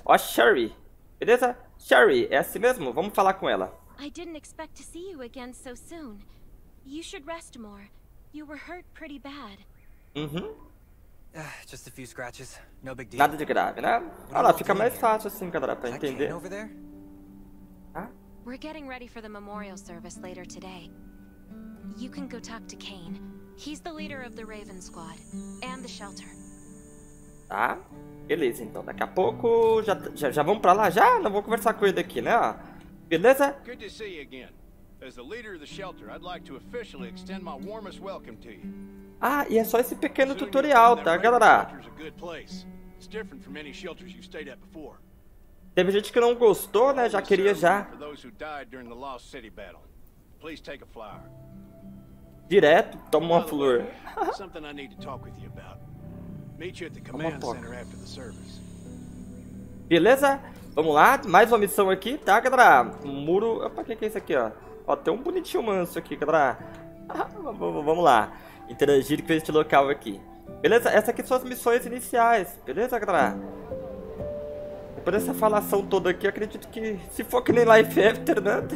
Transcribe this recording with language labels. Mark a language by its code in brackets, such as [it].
[pt] Ó, Sherry, beleza? Sherry, é assim mesmo? Vamos falar com ela. Eu não esperava te ver de novo tão cedo. [en] You should rest more. You were hurt pretty bad. Just a few scratches. No big deal. [pt] Nada de grave, né? Olha, fica mais fácil assim, galera, pra entender. [en] We're getting ready for the memorial service later today. You can go talk to Kane. He's the leader of the Raven Squad and the shelter. [pt] Tá? Beleza, então. Daqui a pouco já vamos pra lá já? Não vou conversar com ele aqui, né? Beleza? [en] Good to see you again. As the leader of the shelter, I'd like to officially extend my warmest welcome to you. [pt] Ah, e é só esse pequeno tutorial, tá, galera? [en] It's a good place. It's different from any shelters you've stayed at before. [pt] Teve gente que não gostou, né? Já queria já. [en] For those who died during the Lost City battle. Please take a flower. [pt] Direto, toma uma flor. [en] Something I need to talk with you about. Meet you at the command center after the service. [pt] Beleza? Vamos lá, mais uma missão aqui, tá, galera? Muro. Opa, o que é isso aqui, ó? Ó, tem um bonitinho manso aqui, galera. Vamos lá. Interagir com este local aqui. Beleza? Essas aqui são as missões iniciais. Beleza, galera? Depois dessa falação toda aqui, eu acredito que se for que nem Life After, né?